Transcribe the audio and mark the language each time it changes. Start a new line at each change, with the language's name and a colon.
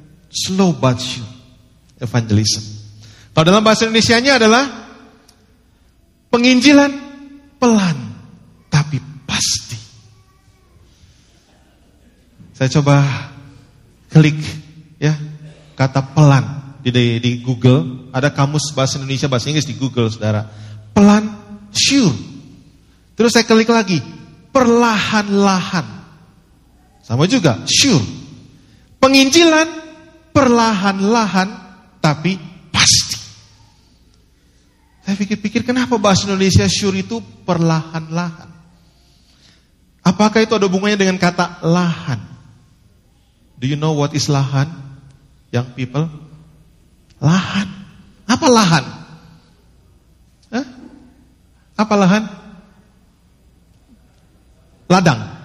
English: Slow but sure evangelism.
Indonesian: Kalau dalam bahasa Indonesianya adalah penginjilan pelan tapi pasti. Saya coba klik ya kata pelan di Google, ada kamus bahasa Indonesia bahasa Inggris di Google, saudara. Pelan, sure. Terus saya klik lagi, perlahan-lahan. Sama juga, sure. Penginjilan perlahan-lahan tapi pasti. Saya pikir-pikir kenapa bahasa Indonesia sure itu perlahan-lahan? Apakah itu ada hubungannya dengan kata lahan?
English: Do you know what is lahan, young people?
Indonesian: Lahan. Apa lahan? Hah? Apa lahan? Ladang.